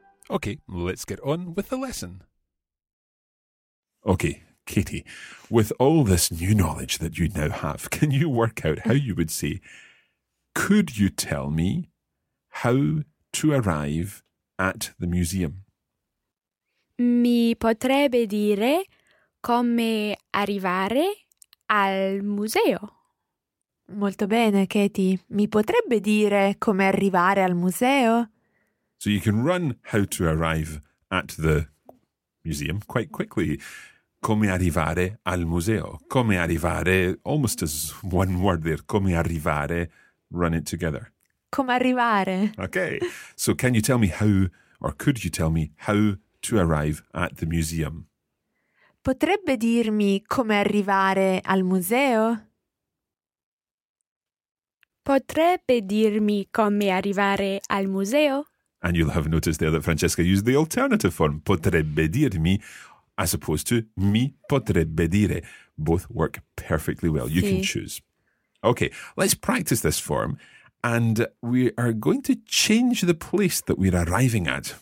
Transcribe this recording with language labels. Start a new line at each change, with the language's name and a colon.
English: Okay, let's get on with the lesson. Okay, Katie, with all this new knowledge that you now have, can you work out how you would say, could you tell me how to arrive at the museum?
Italian: Mi potrebbe dire come arrivare al museo. Molto bene, Katie. Mi potrebbe dire come arrivare al museo?
English: So you can run how to arrive at the museum quite quickly.
Italian: Come arrivare al museo. Come arrivare,
English: almost as one word there.
Italian: Come arrivare,
English: run it together.
Italian: Come arrivare.
English: Okay. So can you tell me how, or could you tell me how to arrive at the museum?
Italian: Potrebbe dirmi come arrivare al museo? Potrebbe dirmi come arrivare al museo?
English: And you'll have noticed there that Francesca used the alternative form,
Italian: potrebbe dirmi,
English: as opposed to
Italian: mi potrebbe dire.
English: Both work perfectly well. You can choose. Okay, let's practice this form. And we are going to change the place that we're arriving at.